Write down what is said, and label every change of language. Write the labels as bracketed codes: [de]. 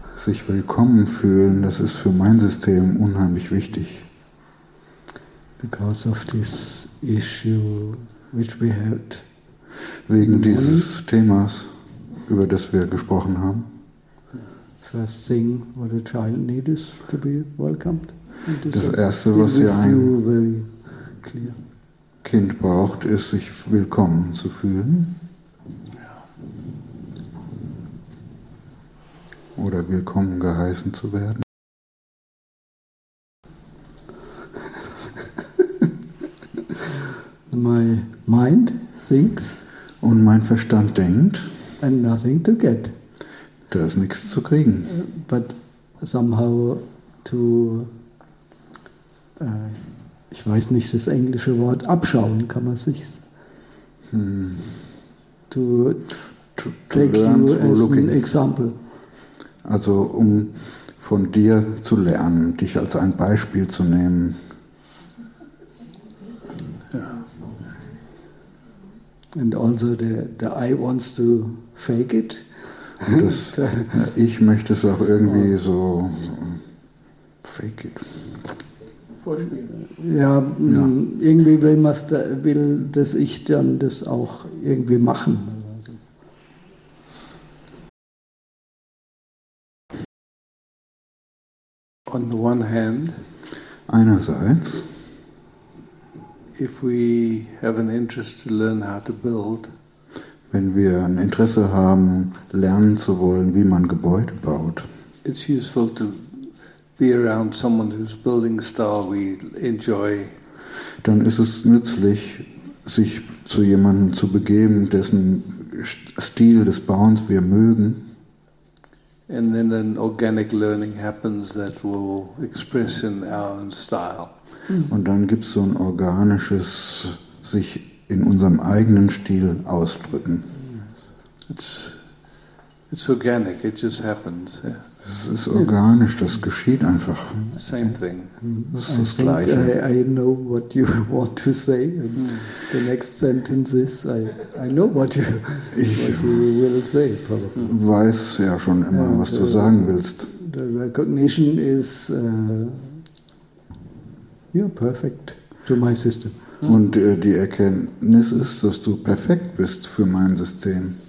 [de] sich willkommen fühlen, das ist für mein System unheimlich wichtig. [en] Because of this issue which we had. [de] Wegen dieses Themas, über das wir gesprochen haben. [en] First thing what a child needs is to be welcomed. [de] Das erste, was sie ein Kind braucht, ist, sich willkommen zu fühlen. Oder willkommen geheißen zu werden. [en] My mind thinks. [de] Und mein Verstand denkt. [en] And nothing to get. [de] Da ist nichts zu kriegen. [en] But somehow to. [de] Ich weiß nicht, das englische Wort abschauen kann man sich. [en] To take you as an example. [de] Also um von dir zu lernen, dich als ein Beispiel zu nehmen. [en] Yeah. And also the eye wants to fake it. [de] Das, ich möchte es auch irgendwie so [en] fake it. [de] Ja, ja, irgendwie will das ich dann das auch irgendwie machen. [en] On the one hand, [de] einerseits, [en] if we have an interest to learn how to build, [de] wenn wir ein Interesse haben, lernen zu wollen, wie man Gebäude baut, [en] it's useful to be around someone who's building style we enjoy. [de] Dann ist es nützlich, sich zu jemandem zu begeben, dessen Stil des Bauens wir mögen. [en] And then an organic learning happens that will express in our own style. [de] Und dann gibt's so ein organisches sich in unserem eigenen Stil ausdrücken. [en] It's organic, it just happens. Yeah. [de] Es ist organisch, das geschieht einfach. [en] Same thing. [de] Es ist das Gleiche. [en] I know what you want to say. And the next sentence is, I know what you will say. Probably. [de] Weiß ja schon immer, and was du sagen willst. [en] The recognition is, you're perfect to my system. [de] Und die Erkenntnis ist, dass du perfekt bist für mein System.